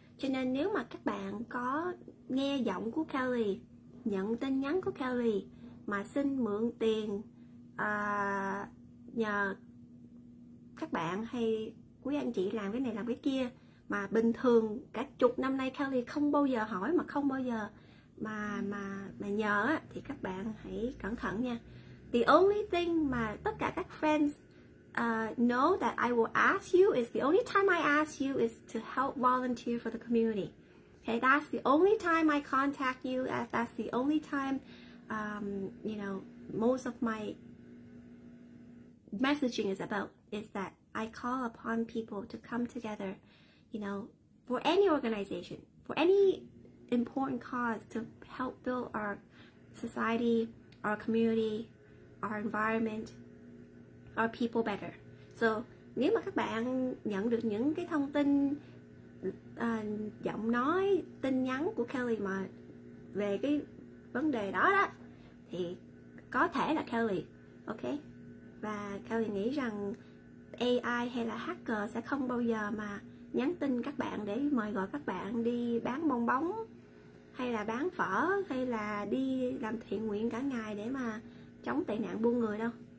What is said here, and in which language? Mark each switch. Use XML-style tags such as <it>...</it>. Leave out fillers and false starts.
<vi>Cho nên nếu mà các bạn có nghe giọng của Kelly, nhận tin nhắn của Kelly mà xin mượn tiền nhờ các bạn hay quý anh chị làm cái này làm cái kia, mà bình thường cả chục năm nay Kelly không bao giờ hỏi mà không bao giờ mà nhờ, thì các bạn hãy cẩn thận nha.</vi> <en>The only thing</en> <vi>mà tất cả các</vi> <en>friends know that I will ask you is the only time I ask you is to help volunteer for the community. Okay, that's the only time I contact you. That's the only time, you know, most of my messaging is about is that I call upon people to come together, you know, for any organization, for any important cause to help build our society, our community, our environment, our people better.</en> <vi>So nếu mà các bạn nhận được những cái thông tin giọng nói, tin nhắn của Kelly mà về cái vấn đề đó đó thì có thể là Kelly, ok? Và Kelly nghĩ rằng AI hay là hacker sẽ không bao giờ mà nhắn tin các bạn để mời gọi các bạn đi bán bong bóng hay là bán phở hay là đi làm thiện nguyện cả ngày để mà chống tệ nạn buôn người đâu.</vi>